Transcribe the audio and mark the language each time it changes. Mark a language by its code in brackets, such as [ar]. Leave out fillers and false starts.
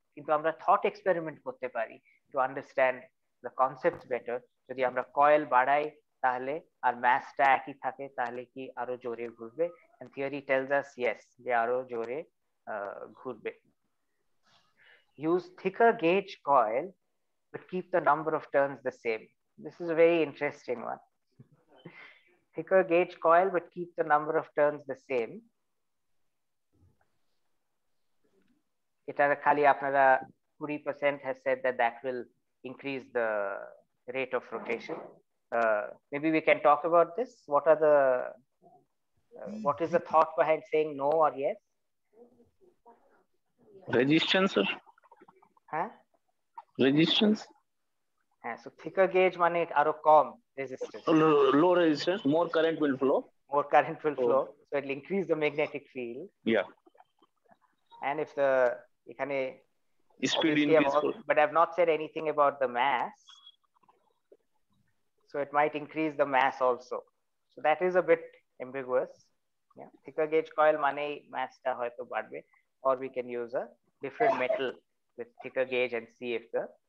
[bn] কিন্তু আমরা [en] thought experiment [bn] করতে পারি [en] to understand the concepts better। [bn] যদি আমরা coil বাড়াই, তাহলে আর massটা একই থাকে, তাহলে কি আরো জোরে ঘুরবে? [en] And theory tells us yes, [bn] যে আরো জোরে ঘুরবে। [en] Use thicker gauge coil but keep the number of turns the same this is a very interesting one thicker gauge coil but keep the number of turns the same [bn] eta khali apnara [en] 20% has said that that will increase the rate of rotation maybe we can talk about this what are the what is the thought behind saying no or yes resistance sir [bn] হ্যাঁ [en] resistance [bn] হ্যাঁ [en] so thicker gauge [bn] মানে আরো কম resistance [en] low resistance more current will flow more current will flow so it will increase the magnetic field yeah and if the [bn] এখানে [en] speed increase but I have not said anything about the mass so it might increase the mass also so that is a bit ambiguous yeah thicker gauge coil [bn] মানে ম্যাসটা হয়তো বাড়বে [en] or we can use a different metal with thicker gauge and see if the